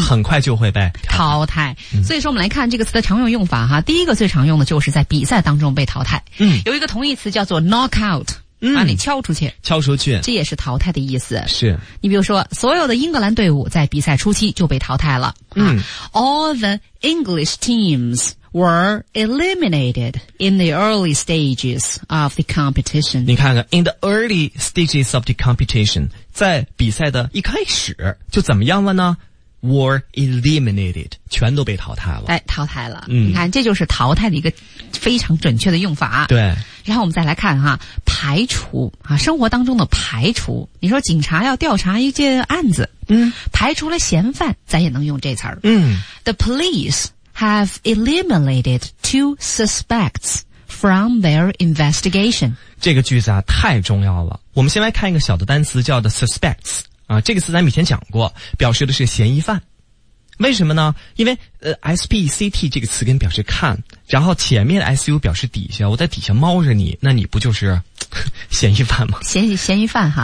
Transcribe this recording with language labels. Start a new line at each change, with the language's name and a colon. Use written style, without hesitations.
Chinese: 很快就会被淘汰、嗯。所以说，我们来看这个词的常用用法哈。第一个最常用的就是在比赛当中被淘汰，嗯，有一个同义词叫做 knock out。把你敲出去、嗯、敲出去，这也是淘汰的意思。是，你比如说所有的英格兰队伍在比赛初期就被淘汰了、嗯
English: 啊、All the English teams were eliminated in the early stages of the competition。
Chinese: 你看看
English: in the early stages of the competition，
Chinese: 在比赛的一开始就怎么样了呢？
English: were eliminated，
Chinese: 全都被淘汰了。哎，淘汰了。嗯，你看，这就是淘汰的一个非常准确的用法。对。然后我们再来看哈，排除啊，生活当中的排除。你说警察要调查一件案子，嗯，排除了嫌犯，咱也能用这词儿。嗯
English: ，The police have eliminated two suspects from their investigation。
Chinese: 这个句子啊，太重要了。我们先来看一个小的单词，叫的 suspects。啊，这个词咱们以前讲过，表示的是嫌疑犯。为什么呢？因为SPECT 这个词根表示看，然后前面的 SU 表示底下，我在底下猫着你，那你不就是嫌疑犯吗？嫌疑犯哈，